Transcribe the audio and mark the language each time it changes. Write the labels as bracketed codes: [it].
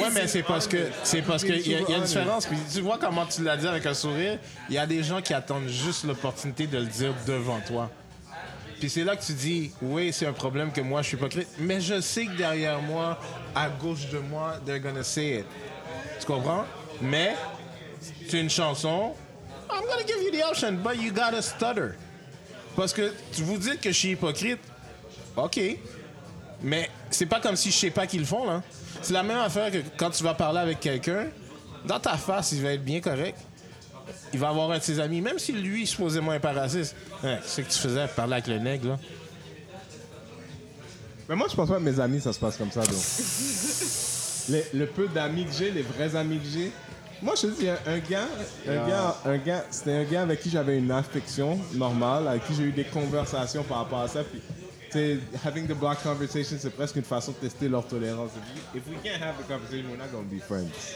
[fr] Ouais, mais c'est parce que il y a une différence. Puis tu vois comment tu l'as dit avec un sourire. Il y a des gens qui attendent juste l'opportunité de le dire devant toi. Puis c'est là que tu dis, oui, c'est un problème que moi je suis pas crédible. Mais je sais que derrière moi, à gauche de moi, [en] they're gonna say it. [fr] Tu comprends? Mais c'est une chanson. [en] I'm gonna give you the option, but you gotta stutter. [fr] Parce que vous dites que je suis hypocrite. Ok. Mais c'est pas comme si je sais pas qu'ils le font, là. C'est la même affaire que quand tu vas parler avec quelqu'un, dans ta face, il va être bien correct. Il va avoir un de ses amis, même si lui, supposément, est pas raciste. Ouais, c'est ce que tu faisais, parler avec le nègre, là. Mais moi, je pense pas que mes amis, ça se passe comme ça, donc. Le peu d'amis que j'ai, les vrais amis que j'ai. Moi, je te dis, un gars, c'était un gars avec qui j'avais une affection normale, avec qui j'ai eu des conversations par rapport à ça, puis. [en] Having the black conversation, [fr] c'est presque une façon de tester leur tolérance. [en] If we can't have the conversation, we're not going to be friends.